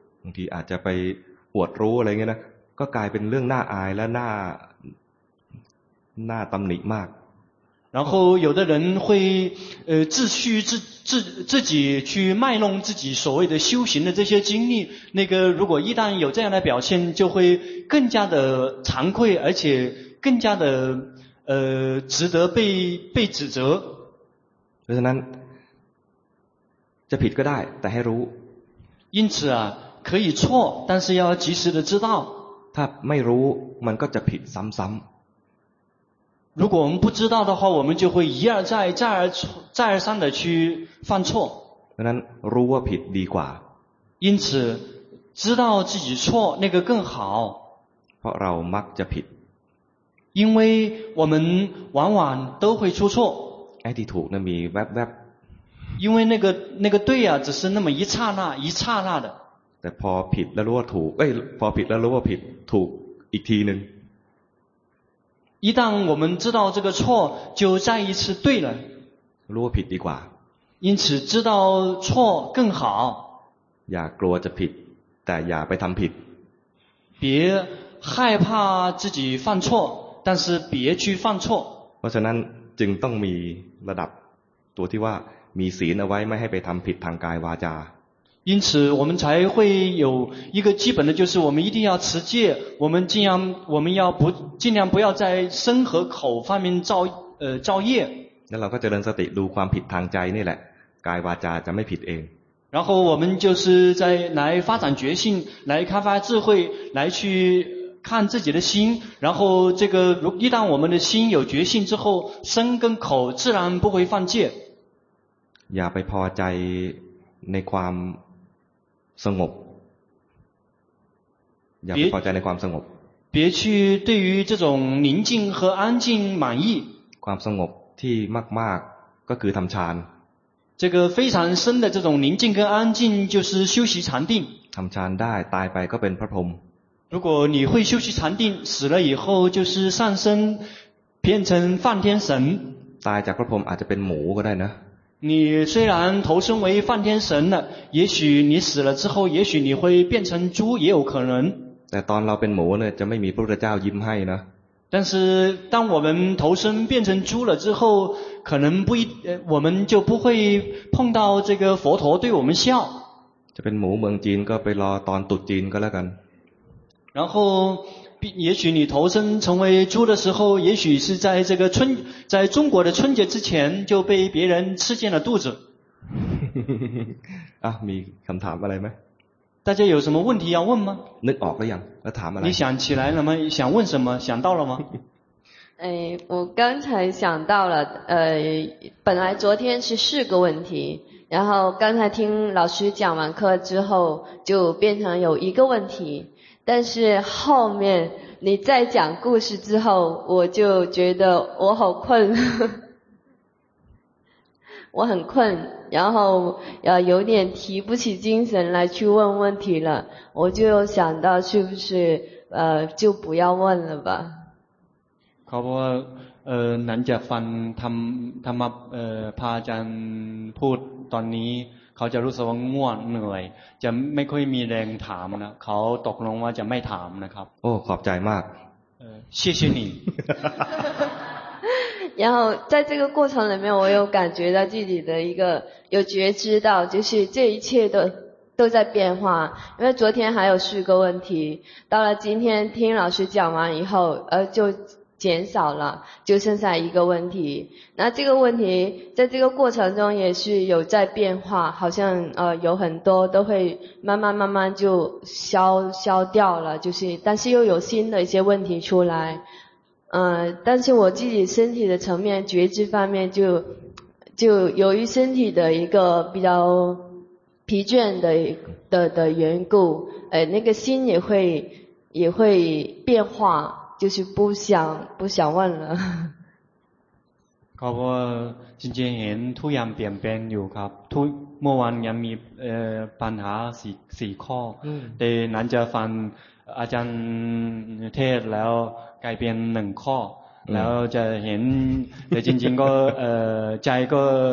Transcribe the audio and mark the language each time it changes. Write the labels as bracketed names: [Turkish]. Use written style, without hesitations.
[Thai] บางทีอาจจะไปอวดรู้อะไรเงี้ยนะก็กลายเป็นเรื่องน่าอายและน่าตำหนิมาก [Chinese] 然后有的人会自己去卖弄自己所谓的修行的这些经历那个如果一旦有这样的表现就会更加的惭愧而且更加的值得被指责 [Thai] เพราะฉะนั้นจะผิดก็ได้แต่ให้รู้ [Chinese] 因此啊可以错但是要及时的知道 [Thai] ถ้าไม่รู้มันก็จะผิดซ้ำ [Chinese] ๆ如果我们不知道的话我们就会一而再再而三的去犯错 [Thai] เพราะฉะนั้นรู้ว่าผิดดีกว่า [Chinese] 因此知道自己错那个更好 [Thai] เพราะเรามักจะผิด [Chinese] 因为我们往往都会出错 [Thai] ไอ้ที่ถูกนะมีแวบแวบ [Chinese] 因为那个对啊只是那么一刹那的 [Thai] แต่พอผิดแล้วรู้ว่าถูกเอ้ยพอผิดแล้วรู้ว่าผิดถูกอีกทีนึง [Chinese] 一旦我们知道这个错就再一次对了 [Thai] รู้ว่าผิดดีกว่า [Chinese] 因此知道错更好 [Thai] อย่ากลัวจะผิดแต่อย่าไปทำผิด [Chinese] 别害怕自己犯错但是别去犯错 [Thai] เพราะฉะนั้นจึงต้องมีระดับตัวที่ว่ามีศีลเอาไว้ไม่ให้ไปทำผิดทางกายวาจา [Chinese] 因此我们才会有一个基本的就是我们一定要持戒我们要不尽量不要在身和口方面造业 [Thai] แล้วเราก็จะเริ่มสติดูความผิดทางใจนี่แหละกายวาจาจะไม่ผิดเอง [Chinese] 然后我们就是在来发展觉性来开发智慧来去看自己的心然后这个一旦我们的心有觉性之后身跟口自然不会犯戒 [Thai] อย่าไปพอใจในความสงบอย่าไปพอใจในความสงบ [Chinese] 别去对于这种宁静和安静满意 [Thai] ความสงบที่มากๆก็คือทำฌาน [Chinese] 这个非常深的这种宁静跟安静就是修习禅定 [Thai] ทำฌานได้ตายไปก็เป็นพระพรหม [Chinese] 如果你会修习禅定，死了以后就是上升变成梵天神。 [Thai] ตายจากพระพรหมอาจจะเป็นหมูก็ได้นะ。 [Chinese] 你虽然投身为梵天神了，也许你死了之后，也许你会变成猪，也有可能。 [Thai] แต่ตอนเราเป็นหมูเนี่ยจะไม่มีพระพุทธเจ้ายิ้มให้นะ。 [Chinese] 但是当我们投身变成猪了之后，可能不一，我们就不会碰到这个佛陀对我们笑。 [Thai] จะเป็นหมูเมืองจีนก็ไปรอตอนตุ๊ดจีนก็แล้วกัน。 [Chinese] 然后也许你投身成为猪的时候，也许是在这个春，在中国的春节之前就被别人吃进了肚子。 [Thai] 啊，มีคำถามอะไรไหม？ [Chinese] 大家有什么问题要问吗？ [Thai] นึกออกหรือยัง？ แล้วถามอะไร？ [Chinese] 你想起来了吗？想问什么？想到了吗？哎，我刚才想到了，本来昨天是四个问题，然后刚才听老师讲完课之后，就变成有一个问题。但是后面你再讲故事之后，我就觉得我好困，我很困，然后有点提不起精神来去问问题了，我就想到是不是就不要问了吧。 [Thai] เขาบอกว่าหลังจากฟังธรรมะพระอาจารย์พูดตอนนี้เขาจะรู้สึกว่าง่วงเหนื่อยจะไม่ค่อยมีแรงถามนะเขาตกลงว่าจะไม่ถามนะครับ โอ้ขอบใจมาก [Chinese] เออ谢谢你然后在这个过程里面我有感觉到自己的一个有觉知到就是这一切都在变化因为昨天还有四个问题到了今天听老师讲完以后就减少了就剩下一个问题那这个问题在这个过程中也是有在变化好像有很多都会慢慢慢慢就消掉了就是但是又有新的一些问题出来但是我自己身体的层面觉知方面就由于身体的一个比较疲倦的缘故那个心也会变化就是不想问了 [Thai] เขาบอกว่าจริงๆเห็นทุกอย่างเปลี่ยนแปลงอยู่ครับทุกเมื่อวานยังมีปัญหา4ข้อแต่หลังจากฟังอาจารย์เทศแล้วกลายเป็น1ข้อแล้วจะเห็นแต่จริงๆก็ใจก็